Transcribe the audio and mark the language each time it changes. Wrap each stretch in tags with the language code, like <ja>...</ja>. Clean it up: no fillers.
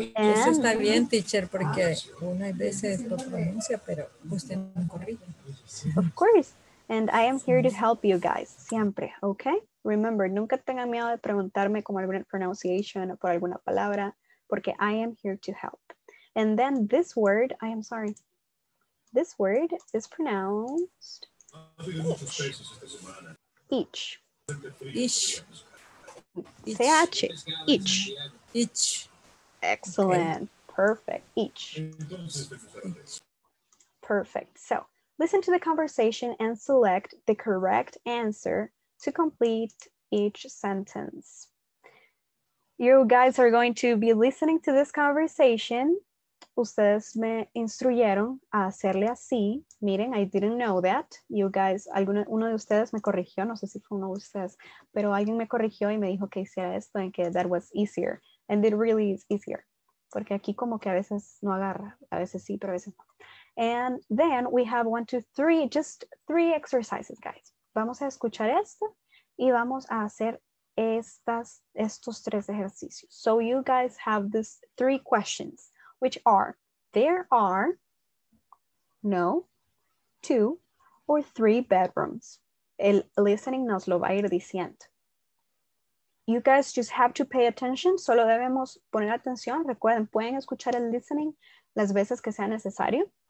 <es>Eso está bien, teacher, porque una vez es lo pronuncia, pero usted no corrige.</es> <en>Of course. And I am here to help you guys,</en> <es>siempre,</es> <en>okay?</en> <es>Remember, nunca tengan miedo de preguntarme como alguna pronunciation o por alguna palabra, porque</es> <en>I am here to help. And then this word, I am sorry, this word is pronounced each. Each. Say each. Each. Each. Excellent. Okay. Perfect. Each. Perfect. So, listen to the conversation and select the correct answer to complete each sentence. You guys are going to be listening to this conversation.</en> <es>Ustedes me instruyeron a hacerle así. Miren,</es> <en>I didn't know that.</en> <es>You guys, uno de ustedes me corrigió, no sé si fue uno de ustedes, pero alguien me corrigió y me dijo que hiciera esto en que</es> <en>that was easier. And it really is easier.</en> <es>Porque aquí como que a veces no agarra, a veces sí, pero a veces no.</es> <en>And then we have 1, 2, 3, just 3 exercises, guys.</en> <es>Vamos a escuchar esto y vamos a hacer estos 3 ejercicios.</es> <en>So you guys have these 3 questions, which are, there are no 2 or 3 bedrooms.</en> <es>El listening nos lo va a ir diciendo.</es> <en>You guys just have to pay attention.</en> <es>Solo debemos poner atención. Recuerden, pueden escuchar el listening las veces que sea necesario.</es>